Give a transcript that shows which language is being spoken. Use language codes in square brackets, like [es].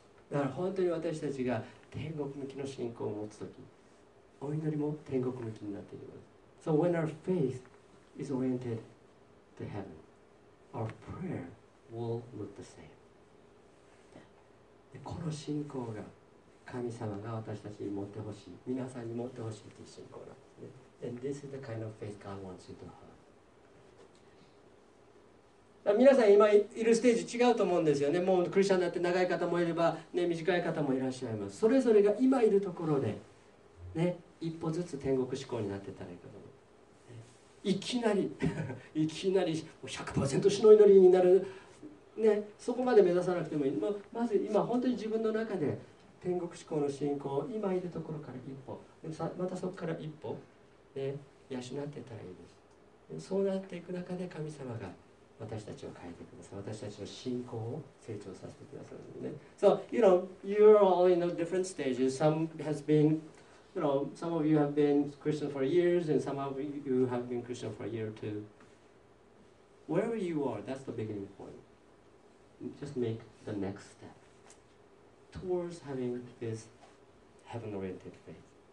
[ja] だから本当に私たちが天国向きの信仰を持つとき、お祈りも天国向きになっていきます。 [en] So when our faith is oriented to heaven, our prayer will look the same. [ja] でこの信仰が神様が私たちに持ってほしい、皆さんに持ってほしいという信仰なんですね。 [en] And this is the kind of faith God wants you to have. [ja] 皆さん今いるステージ違うと思うんですよね。もうクリスチャンになって長い方もいれば、ね、短い方もいらっしゃいます。それぞれが今いるところで、ね、一歩ずつ天国志向になってたらいいかと思う、ね、いきなり 100% 主の祈りになる、ね、そこまで目指さなくてもいい。まず今本当に自分の中で天国志向の信仰を今いるところから一歩、またそこから一歩、ね、養っていたらいいです。そうなっていく中で神様が私たちを変えてください。私たちの信仰を成長させてくださるね。 [en] So, you know, you're all in different stages. Some has been, you know, some of you have been Christian for years and some of you have been Christian for a year or two. Wherever you are, that's the beginning point. Just make the next step towards having this heaven-oriented faith.